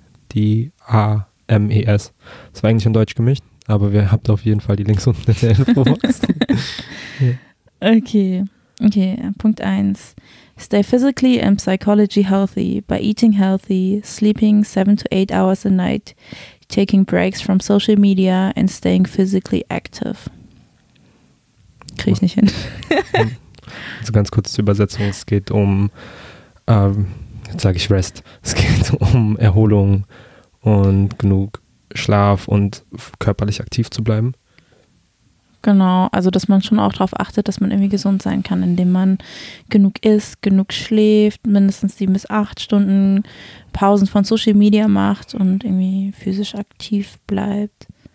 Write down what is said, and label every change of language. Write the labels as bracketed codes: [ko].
[de] @HYADAMES. Das war eigentlich in Deutsch gemischt, aber ihr habt auf jeden Fall die Links unten in der Infobox. Okay, Punkt 1. [en] Stay physically and psychology healthy by eating healthy, sleeping 7 to 8 hours a night, taking breaks from social media and staying physically active. [de] Kriege ich nicht hin. Also ganz kurz zur Übersetzung, es geht um, jetzt sage ich Rest, es geht um Erholung und genug Schlaf und körperlich aktiv zu bleiben. Genau, also dass man schon auch darauf achtet, dass man irgendwie gesund sein kann, indem man genug isst, genug schläft, mindestens 7 bis 8 Stunden Pausen von Social Media macht und irgendwie physisch aktiv bleibt.